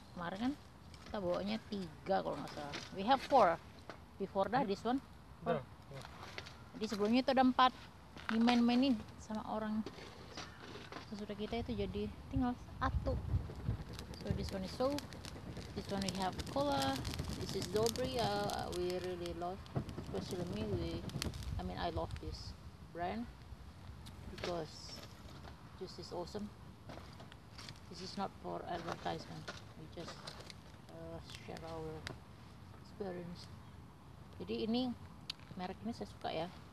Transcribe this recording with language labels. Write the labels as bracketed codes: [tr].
[id] Kemarin kan kita bawanya 3 kalau enggak salah. [en] We have 4 before that this one. [id] Jadi sebelumnya itu ada 4 dimain-mainin sama orang sesudah kita itu jadi tinggal 1. [en] So this one is soap, this one we have cola, this is dobri. We really love, especially me, I love this brand because this is awesome. This is not for advertisement, we just share our experience. [id] Jadi ini merek ini saya suka ya.